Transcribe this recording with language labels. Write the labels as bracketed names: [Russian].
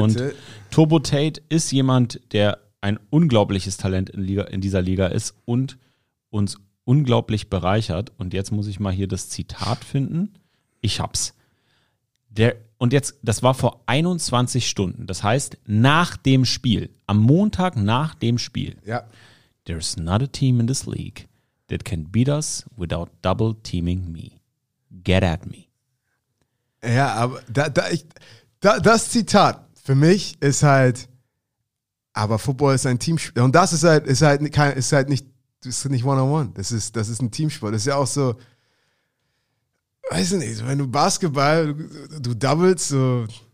[German] Und Turbo Tail ist jemand, der ein unglaubliches Talent in dieser Liga ist und uns unglaublich bereichert. Und jetzt muss ich mal hier das Zitat finden. Ich hab's. Das war vor 21 Stunden. Das heißt, nach dem Spiel, am Montag nach dem Spiel. Ja. [English] There's not a team in this league that can beat us without double teaming me. Get at me. [German] Ja, aber das Zitat für mich ist halt, aber Football ist ein Teamsport. Und das ist halt nicht one-on-one. Das ist ein Teamsport. Das ist ja auch so, weiß ich nicht, wenn du Basketball, du doubles, so.